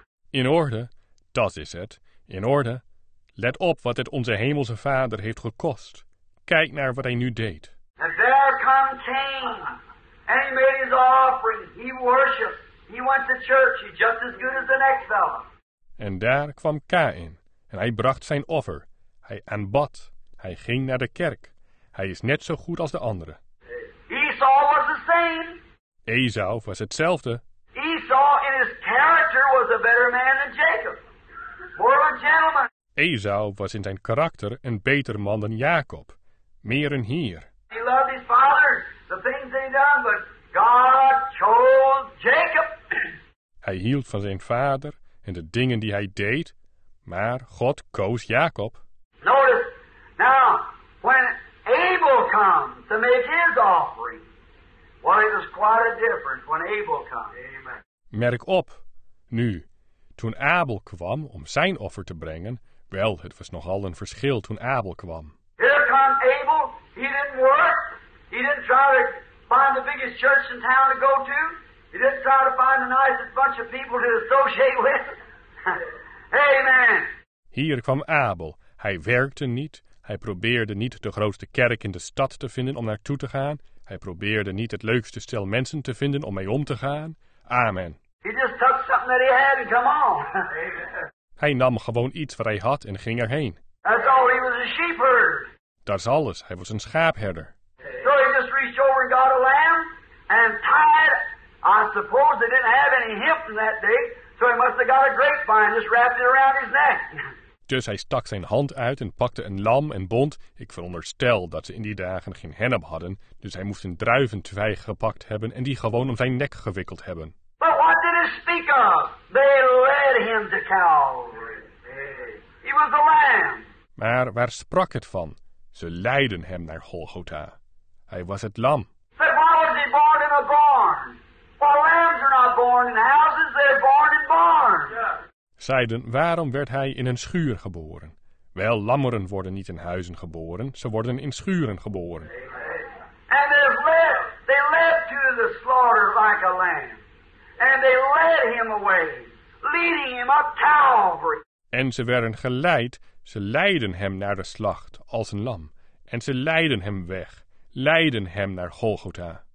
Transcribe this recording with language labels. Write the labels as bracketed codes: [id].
[nl] In orde, dat is het. In orde. Let op wat het onze hemelse Vader heeft gekost. Kijk naar wat hij nu deed. [en] And there come Cain, and he made his offering. He worshipped. He went to church. He's just as good as the next fellow. [nl] En daar kwam Cain. En hij bracht zijn offer. Hij aanbad. Hij ging naar de kerk. Hij is net zo goed als de anderen. [en] Esau was the same. [nl] Esau was hetzelfde. [en] Esau in his character was a better man than Jacob. More of a gentleman. [nl] Esau was in zijn karakter een beter man dan Jacob. Meer een heer. [en] He loved his father, the things he done, but God chose Jacob. [nl] Hij hield van zijn vader en de dingen die hij deed. Maar God koos Jacob. [en] Notice, now, when Abel comes to make his offering, well, it was quite a difference when Abel comes. Amen. [nl] Merk op, nu, toen Abel kwam om zijn offer te brengen, wel, het was nogal een verschil toen Abel kwam. [en] Here comes Abel, he didn't work, he didn't try to find the biggest church in town to go to, he didn't try to find the nicest bunch of people to associate with. Amen. [nl] Hier kwam Abel. Hij werkte niet. Hij probeerde niet de grootste kerk in de stad te vinden om naartoe te gaan. Hij probeerde niet het leukste stel mensen te vinden om mee om te gaan. Amen. [en] He just took something that he had and come on. [nl] Hij nam gewoon iets wat hij had en ging erheen. [en] That's all, he was a sheepherder. [nl] Dat is alles. Hij was een schaapherder. [en] So he just reached over and got a lamb and tied. I suppose they didn't have any hemp in that day. So he must have got a grapevine just wrapped it around his neck. [nl] Dus hij stak zijn hand uit en pakte een lam en bond. Ik veronderstel dat ze in die dagen geen hennep hadden. Dus hij moest een druiventwijg gepakt hebben en die gewoon om zijn nek gewikkeld hebben. [en] But what did it speak of? They led him to Calvary. He was the lamb. [nl] Maar waar sprak het van? Ze leidden hem naar Golgotha. Hij was het lam. [en] But why was he born in a barn? Well, lambs are not born in houses, they're born in barns. [nl] Zeiden, waarom werd hij in een schuur geboren? Wel, lammeren worden niet in huizen geboren, ze worden in schuren geboren. Amen. [en] And they led to the slaughter like a lamb. And they led him away, leading him up Calvary. [nl] En ze werden geleid, ze leidden hem naar de slacht, als een lam. En ze leidden hem weg, leidden hem naar Golgotha.